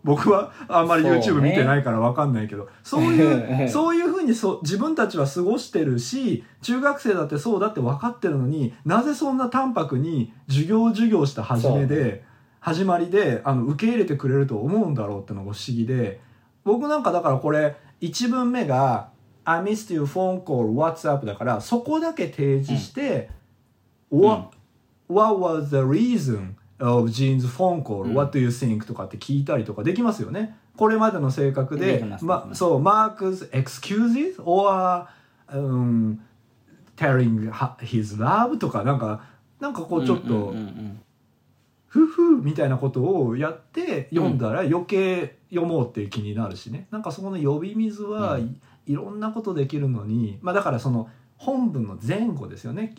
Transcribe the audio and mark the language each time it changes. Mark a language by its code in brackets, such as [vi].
[ja] 僕はあんまり YouTube 見てないから分かんないけど、そうね、そういう風に自分たちは過ごしてるし、中学生だってそうだって分かってるのに、なぜそんな淡白に授業した初めで始まりで、あの受け入れてくれると思うんだろうってのが不思議で、僕なんかだからこれ1文目が [en] I missed your phone call, what's up? [ja] だからそこだけ提示して、うん、 [en] What was the reason of Jean's phone call?、うん、What do you think? [ja] とかって聞いたりとかできますよね。これまでの性格で、そう、 [en] Mark's excuses or、telling his love? [ja] とかなんかこうちょっと、うんうんうんうん、ふふみたいなことをやって読んだら余計読もうって気になるしね、うん、なんかそこの呼び水は、うん、いろんなことできるのに、まあ、だからその本文の前後ですよね。